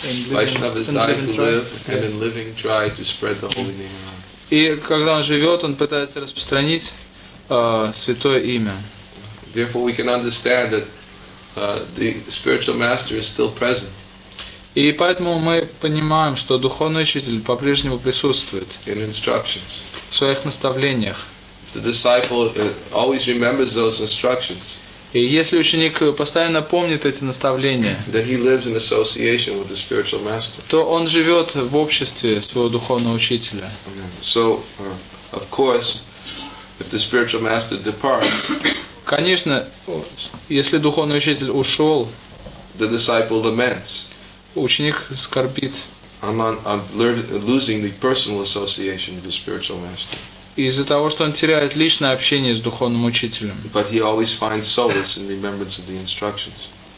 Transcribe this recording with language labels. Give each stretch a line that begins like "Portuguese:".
English: Vaishnavas die to live, and in living try to spread the holy name around.
Russian: И когда он живет, он пытается распространить святое имя.
English: Therefore, we can understand that the spiritual master is still present.
Russian: И поэтому мы понимаем, что духовный учитель по-прежнему присутствует в своих наставлениях.
English: The disciple always remembers those instructions.
Russian: И если ученик постоянно помнит эти наставления,
English: then he lives in association with the spiritual master.
Russian: То он живет в обществе своего духовного учителя.
English: So, of course, if the spiritual master departs,
Russian: конечно, если духовный учитель ушел,
English: the disciple laments.
Russian: Ученик скорбит.
English: I'm losing the personal association with the spiritual master.
Russian: Из-за того, что он теряет личное общение с духовным учителем.
English: But he always finds solace in remembrance of the instructions.